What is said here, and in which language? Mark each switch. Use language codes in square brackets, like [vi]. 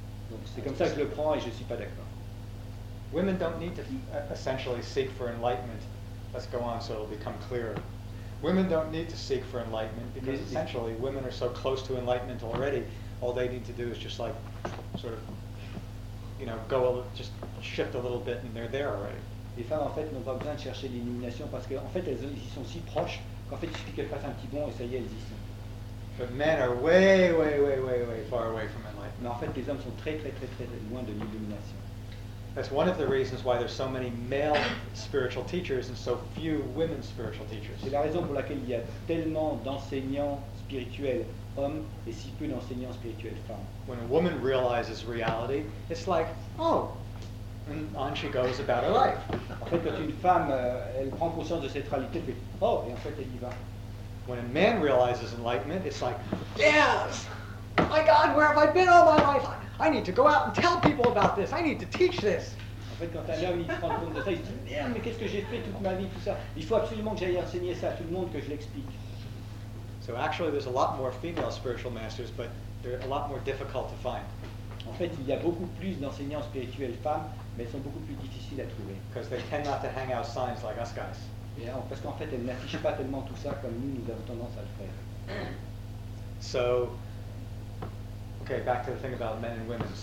[fr] Donc c'est comme ça que je le prends et je ne suis pas d'accord. [en] Women don't need to essentially seek for enlightenment. Let's go on so it'll become clearer. Women don't need to seek for enlightenment because essentially women are so close to enlightenment already. All they need to do is just like sort of, you know, just shift a little bit and they're there already. [fr] Les femmes en fait n'ont pas besoin de chercher l'illumination parce qu'en fait elles y sont si proches qu'en fait il suffit qu'elles fassent un petit bond et ça y est elles y sont. [en] But men are way, way, way, way, way far away from enlightenment. [fr] Mais en fait les hommes sont très, très, très, très loin de l'illumination. [en] That's one of the reasons why there's so many male spiritual teachers and so few women spiritual teachers. [fr] C'est la raison pour laquelle il y a tellement d'enseignants spirituels hommes et si peu d'enseignants spirituels femmes. [en] When a woman realizes reality, it's like, oh, and on she goes about her life. [fr] En fait, quand une femme, elle prend conscience de cette réalité, elle fait, oh, et en fait, elle y va. [en] When a man realizes enlightenment, it's like, yes, my God, where have I been all my life? I need to go out and tell people about this. I need to teach this. [fr] En fait, quand un homme il se rend compte de ça, il se dit merde, mais qu'est-ce que j'ai fait toute ma vie, tout ça. Il faut absolument que j'aille enseigner ça à tout le monde, que je l'explique. [en] So actually, there's a lot more female spiritual masters, but they're a lot more difficult to find. [fr] En fait, il y a beaucoup plus d'enseignants spirituels femmes, mais elles sont beaucoup plus difficiles à trouver. [en] Because they tend not to hang out signs like us guys. [fr] Yeah, parce qu'en fait, elles n'affichent pas tellement tout ça comme nous, nous avons tendance à le faire. [en] So, okay, back to the thing about men and women.